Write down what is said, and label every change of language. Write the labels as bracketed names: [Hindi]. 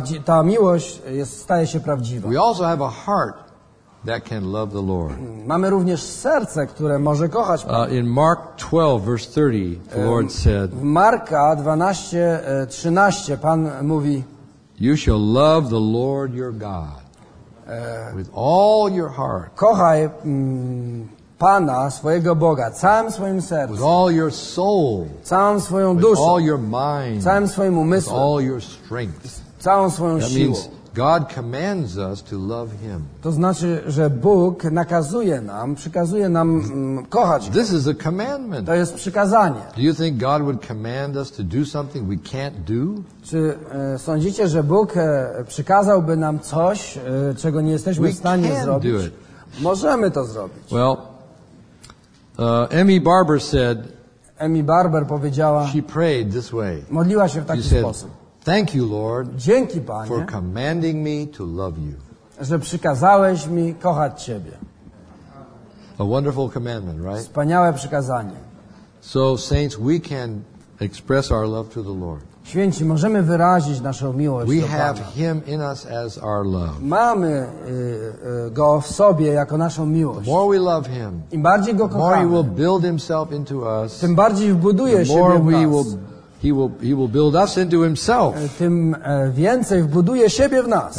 [Polish] Ta miłość jest, staje się prawdziwa. [English] We also have a heart that can love the Lord. [Polish] Mamy również serce, które może kochać Pana. [English] In Mark 12, verse 30, the Lord said, [Polish] w Marka 12, 13, Pan mówi, [English] you shall love the Lord your God with all your heart. [Polish] Kochaj Pana, swojego Boga, całym swoim sercem. [English] With all your soul. [Polish] Całą swoją duszą. [English] With all your mind. [Polish] Całym swoim umysłem. [English] With all your strength. [Polish] Całą swoją siłą. [English] That means God commands us to love Him. [Polish] To znaczy, że Bóg nakazuje nam, przykazuje nam kochać Go. [English] This is a commandment. [Polish] To jest przykazanie. [English] Do you think God would command us to do something we can't do? [Polish] Czy sądzicie, że Bóg przykazałby nam coś, czego nie jesteśmy w stanie zrobić? [English] We can do it. [Polish] Możemy to zrobić. [English] Well, Emmy Barber said. [Polish] Emmy Barber powiedziała. [English] She prayed this way. [Polish] Modliła się w taki sposób. [English] Thank you, Lord. [Polish] Dzięki Panie. [English] For commanding me to love you. [Polish] Że przykazałeś mi kochać Ciebie. [English] A wonderful commandment, right? [Polish] Wspaniałe przykazanie. [English] So saints, we can express our love to the Lord. [Polish] Święci, możemy wyrazić naszą miłość [English] we [Polish] do Pana. [English] Have him in us as our love. [Polish] Mamy go w sobie jako naszą miłość. [English] The more we love him, [Polish] im bardziej go kochamy, [English] the more he will build himself into us, [Polish] tym bardziej wbuduje [English] the more [Polish] siebie w nas. [English] He will build us into himself. [Polish] Tym więcej wbuduje siebie w nas.